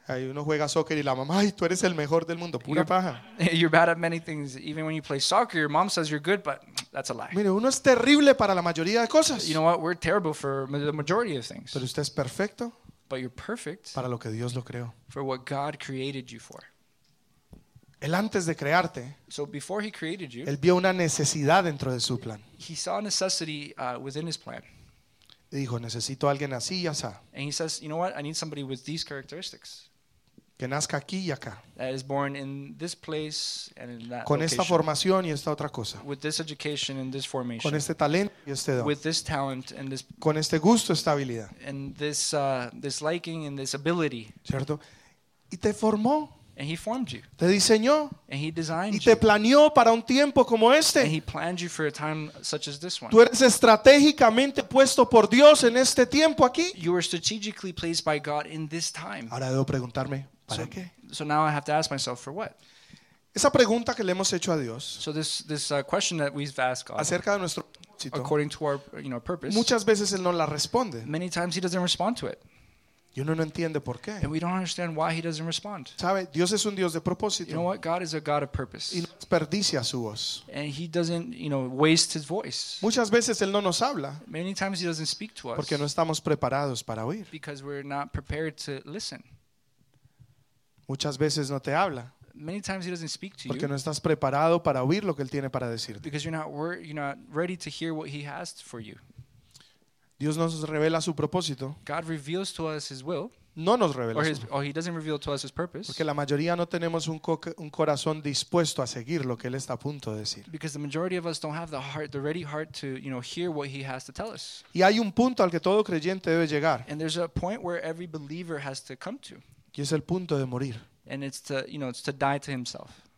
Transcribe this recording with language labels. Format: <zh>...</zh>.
<es>Ahí uno juega soccer y la mamá, ay, tú eres el mejor del mundo, pura paja.</es> <en>You're bad at many things. Even when you play soccer, your mom says you're good, but that's a lie.</en> <es>Mire, uno es terrible para la mayoría de cosas.</es> <en>You know what? We're terrible for the majority of things.</en> <es>Pero usted es perfecto.</es> <en>But you're perfect.</en> <es>Para lo que Dios lo creó.</es> <en>For what God created you for.</en> <es>Él antes de crearte,</es> <en>so before he created you,</en> <es>él vio una necesidad dentro de su plan.</es> <en>He saw a necessity within his plan.</en> <es>Y dijo, necesito a alguien así y asá.</es> <en>And he says, you know what? I need somebody with these characteristics.</en> <es>Que nazca aquí y acá.</es> <en>That is born in this place and in that</en> <es>con</es> <en>location.</en> <es>Esta formación y esta otra cosa.</es> <en>With this education and this formation.</en> <es>Con este talento y este don.</es> <en>With this talent and this.</en> <es>Con este gusto, esta habilidad.</es> <en>And this this liking and this ability.</en> <es>¿Cierto? Y te formó.</es> <en>And he formed you.</en> <es>Te diseñó.</es> <en>And he designed</en> <es>y te</es> <en>you.</en> <es>Planeó para un tiempo como este.</es> <en>And he planned you for a time such as this one.</en> <es>Tú eres estratégicamente puesto por Dios en este tiempo aquí.</es> <en>You were strategically placed by God in this time.</en> <es>Ahora debo preguntarme, ¿para</es> <en>so,</en> <es>qué?</es> <en>So now I have to ask myself, for what?</en> <es>Esa pregunta que le hemos hecho a Dios.</es> <en>So this question that we've asked God.</en> <es>Acerca de nuestro</es> <en>propósito. According to our, you know, purpose.</en> <es>Muchas veces él no la responde.</es> <en>Many times he doesn't respond to it.</en> <es>Y uno no entiende por qué.</es> <en>And we don't understand why he doesn't respond.</en> <es>¿Sabe? Dios es un Dios de propósito.</es> <en>You know what? God is a God of purpose.</en> <es>Y no desperdicia su voz.</es> <en>And he doesn't, you know, waste his voice.</en> <es>Muchas veces él no nos habla.</es> <en>Many times he doesn't speak to us.</en> <es>Porque no estamos preparados para oír.</es> <en>Because we're not prepared to listen.</en> <es>Muchas veces no te habla.</es> <en>Many times he doesn't speak to you.</en> <es>Porque no estás preparado para oír lo que él tiene para decirte.</es> <en>Because you're not ready to hear what he has for you.</en> <es>Dios nos revela su propósito.</es> <en>God reveals to us his will.</en> <es>no nos revela</es> <en>or, his, or he doesn't reveal to us his purpose.</en> <es>Porque la mayoría no tenemos un corazón dispuesto a seguir lo que él está a punto de decir.</es> <en>Because the majority of us don't have the heart, the ready heart to, you know, hear what he has to tell us.</en> <es>Y hay un punto al que todo creyente debe llegar.</es> <en>And there's a point where every believer has to come to.</en> <es>Y es el punto de morir.</es> <en>And it's to, you know, it's to die to himself.</en>